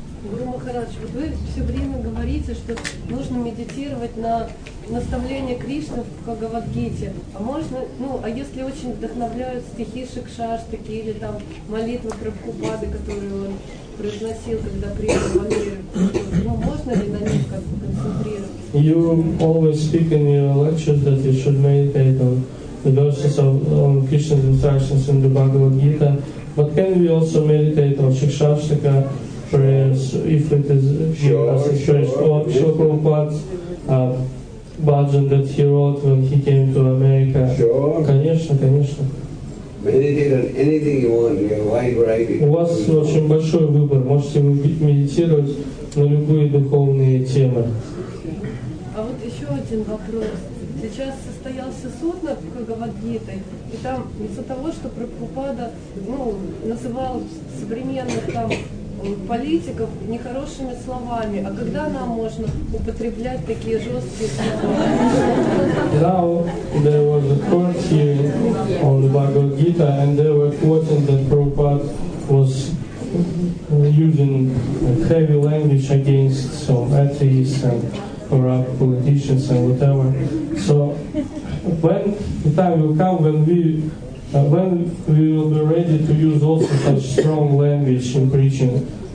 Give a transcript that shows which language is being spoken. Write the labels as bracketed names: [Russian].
[Russian] Гуру Махарадж, вот вы все время говорите, что нужно медитировать на наставление Кришны в Бхагавад-гите. А можно, ну, а если очень вдохновляют стихи Шикшаштаки или там молитвы Прабхупады, которые он произносил, когда приехал в Америку, ну, можно ли на них как бы концентрироваться? [English] You always speak in your lectures that you should meditate on the verses of on Krishna's instructions in the Bhagavad-gita, but can we also meditate on Shikshashtaka? Prayers, if it is Srila Prabhupada's bhajan that he wrote when he came to America. Sure. [Russian] Конечно, конечно. [English] Meditate on anything you want, you have a wide variety. [Russian] У вас очень большой выбор. Можете медитировать на любые духовные темы. А вот еще один вопрос. Сейчас состоялся суд над Бхагавад-гитой, и там из-за того, что Прабхупада, ну, называл современных там политиков нехорошими словами. А когда нам можно употреблять такие жесткие слова? [English] Now there was a court hearing on the Bhagavad Gita, and they were quoting that Prabhupada was using heavy language against some atheists and corrupt politicians and whatever. So when the time will come when we when we will be ready to use also such strong language in preaching.